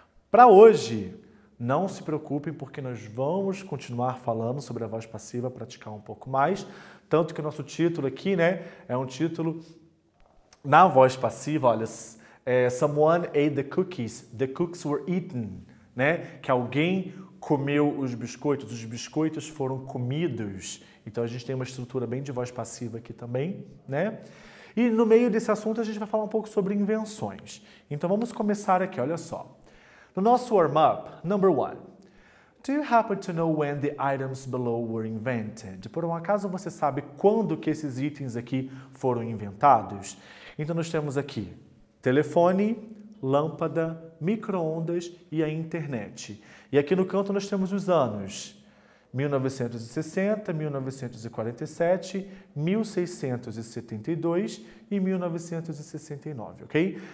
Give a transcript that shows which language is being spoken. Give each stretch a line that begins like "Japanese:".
Portuguese: Para hoje, não se preocupem, porque nós vamos continuar falando sobre a voz passiva, praticar um pouco mais, tanto que o nosso título aqui, né, é um título na voz passiva, olha,
English: Someone ate the cookies, the cookies were eaten,
Portuguese: né, que alguém comeu os biscoitos foram comidos. Então, a gente tem uma estrutura bem de voz passiva aqui também, né? E no meio desse assunto, a gente vai falar um pouco sobre invenções. Então, vamos começar aqui, olha só. No nosso warm-up, number one.
English: Do you happen to know when the items below were invented?
Portuguese: Por um acaso, você sabe quando que esses itens aqui foram inventados? Então, nós temos aqui telefone, lâmpada, micro-ondas e a internet. E aqui no canto, nós temos os anos. 1960, 1947, 1672 e 1969, ok?